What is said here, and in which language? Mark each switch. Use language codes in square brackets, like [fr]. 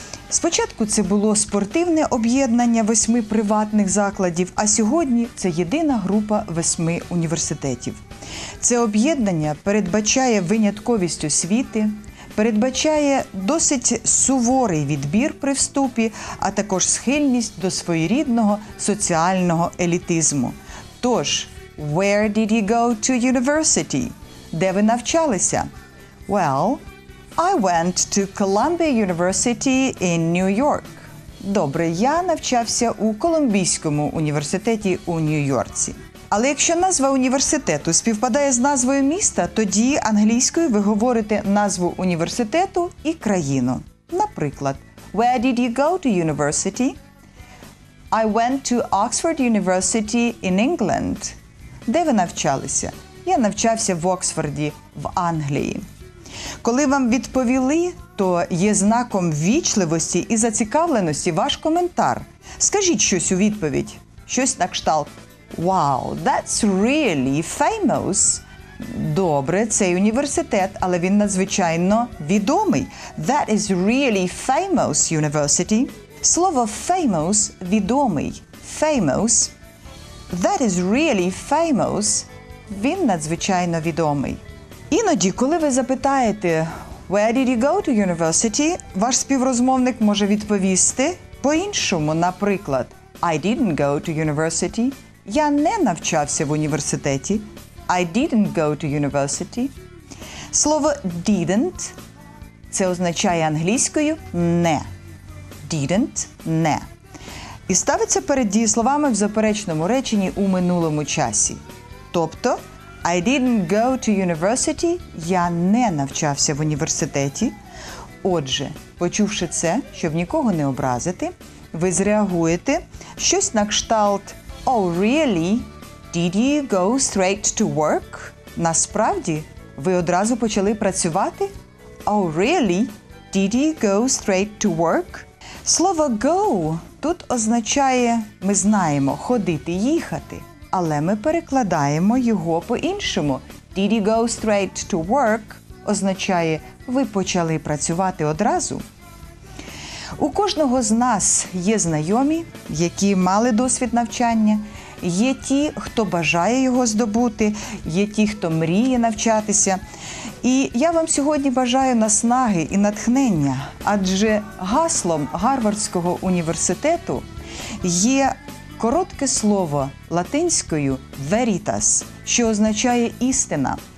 [uk] Спочатку це було спортивне об'єднання 8 приватних закладів, а сьогодні це єдина група 8 університетів. Це об'єднання передбачає винятковість освіти, передбачає досить суворий відбір при вступі, а також схильність до своєрідного соціального елітизму. [en] Тож, where did you go to university? [uk] Де ви навчалися? [en] Well, I went to Columbia University in New York. [uk] Добре, я навчався у Колумбійському університеті у Нью-Йорці. Але якщо назва університету співпадає з назвою міста, тоді англійською ви говорите назву університету і країну. [en] Наприклад, where did you go to university? I went to Oxford University in England. [uk] Де ви навчалися? Я навчався в Оксфорді, в Англії. Коли вам відповіли, то є знаком ввічливості і зацікавленості ваш коментар. Скажіть щось у відповідь. Щось на кшталт. [en] Wow, that's really famous. [uk] Добре, цей університет, але він надзвичайно відомий. [en] That is really famous university. [uk] Слово famous – відомий. [en] Famous. That is really famous. [uk] Він надзвичайно відомий. Іноді, коли ви запитаєте [en] «Where did you go to university?», [uk] ваш співрозмовник може відповісти по-іншому, наприклад [en] «I didn't go to university». [uk] «Я не навчався в університеті». [en] «I didn't go to university». [uk] Слово «didn't» – це означає англійською «не». «Didn't» – «не». І ставиться перед дієсловами в заперечному реченні у минулому часі. [en] Тобто I didn't go to university. [uk] Я не навчався в університеті. Отже, почувши це, щоб нікого не образити, ви зреагуєте щось на кшталт [en] Oh, really? Did you go straight to work? [uk] Насправді, ви одразу почали працювати? [en] Oh, really? Did he go straight to work? [uk] Слово go тут означає «ми знаємо», «ходити», «їхати». Але ми перекладаємо його по-іншому. [en] Did he go straight to work? [uk] Означає «ви почали працювати одразу». У кожного з нас є знайомі, які мали досвід навчання, є ті, хто бажає його здобути, є ті, хто мріє навчатися. І я вам сьогодні бажаю наснаги і натхнення, адже гаслом Гарвардського університету є коротке слово латинською «veritas», що означає «істина».